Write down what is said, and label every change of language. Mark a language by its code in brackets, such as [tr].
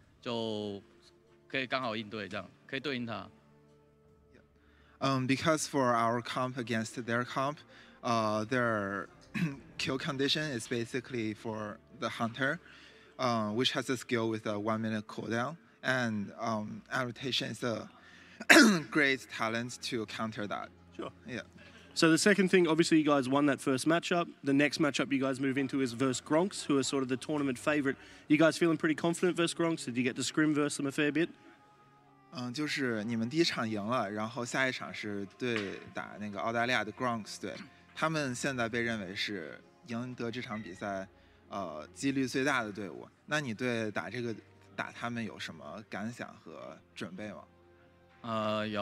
[zh] 战列这个组合，他们击杀主要比较依靠那个猎人的胁迫，然后他这个猎人胁迫技能刚好是一分钟，然后一分钟的晕，然后我们测就是这个一分钟的晕跟那个一分钟的伤是刚好一样，所以被击杀的状况通常都是被这个胁迫晕住被打死，所以如果出了这个技能的话，就可以刚好应对这样，可以对应他。 [en] Because for our comp against their comp, their kill condition is basically for the hunter, which has a skill with a 1 minute cooldown, and adaptation is a great talent to counter that. Sure. Yeah. So the second thing, obviously, you guys won that first matchup. The next matchup you guys move into is versus Gronks, who are sort of the tournament favorite. You guys feeling pretty confident versus Gronks? Did you get to scrim versus them a fair bit? [zh] 就是你们第一场赢了，然后下一场是对打那个澳大利亚的 Gronks， 对他们现在被认为是赢得这场比赛几率最大的队伍。那你对打这个打他们有什么感想和准备吗？